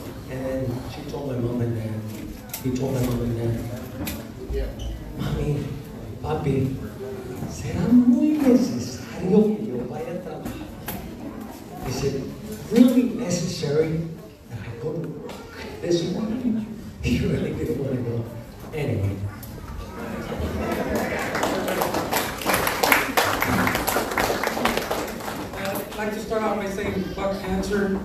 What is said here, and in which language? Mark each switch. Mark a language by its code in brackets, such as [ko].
[en] And then she told my mom and dad. He told my mom and dad. [es] Mami, papi, será muy necesario que yo vaya a trabajar. [en] Is it really necessary that I go to work this morning? He really didn't want to go. Anyway. I'd like to start off by saying Buck Cancer.